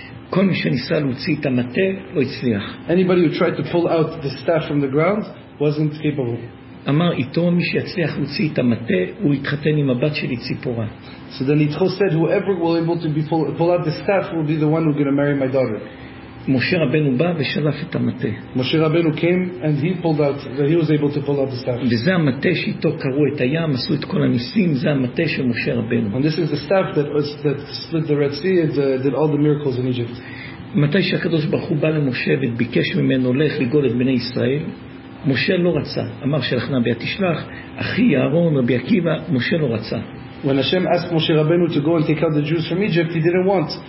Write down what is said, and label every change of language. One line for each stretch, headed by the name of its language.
Hebrew: כל מי שניסה להוציא את המטה לא הצליח.
English: Anybody who tried to pull out the staff from the ground wasn't capable.
Hebrew: אמר יתרו, מי שיצליח להוציא את המטה הוא יתחתן עם הבת שלי ציפורה.
English: So then Yitro said, whoever will be able to pull out the staff will be the one who's going to marry my daughter.
Hebrew: משה רבנו בא ושלף את המטה.
English: משה רבנו came and he pulled out that he was able to pull out the staff.
Hebrew: וזה המטה שאיתו קרו את הים, עשו את כל הניסים, זה המטה של משה רבנו.
English: And this is the staff that split the Red Sea and did all the miracles in Egypt.
Hebrew: מתי שהקדוש ברוך הוא בא למשה וביקש ממנו לך לגאול את בני ישראל, משה לא רצה. אמר שלחנה בי תשלח, אחי אהרון, רבי עקיבא, משה לא רצה.
English: When Hashem asked Moshe Rabbeinu to go and take out the Jews from Egypt, he didn't want.